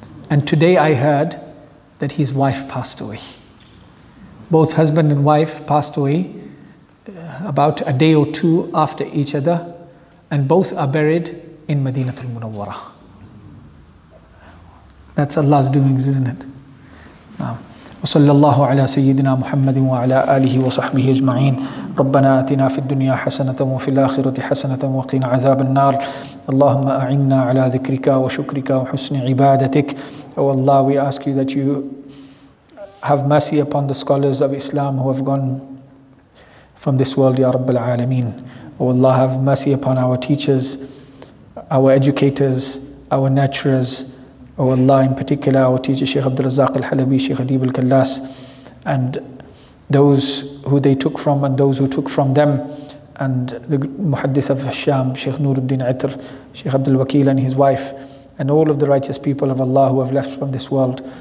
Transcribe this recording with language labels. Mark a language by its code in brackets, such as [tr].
[en] And today I heard that his wife passed away. Both husband and wife passed away about a day or two after each other, and both are buried in Madinatul Munawwara. That's Allah's doings, isn't it? [ar] وصلى الله على سيدنا محمد وعلى آله وصحبه أجمعين ربنا آتنا في الدنيا حسنة وفي الآخرة حسنة وقنا عذاب النار اللهم أعنا على ذكرك وشكرك وحسن عبادتك. [en] Oh Allah, we ask you that you have mercy upon the scholars of Islam who have gone from this world, Ya Rabbil Alameen. Oh Allah, have mercy upon our teachers, our educators, our nurturers. Oh Allah, in particular, our teacher Shaykh Abdul Razzaq Al-Halabi, Shaykh Adib Al-Kallas, and those who they took from and those who took from them, and the Muhaddith of Hisham, Shaykh Nuruddin Atr, Shaykh Abdul Wakil and his wife, and all of the righteous people of Allah who have left from this world.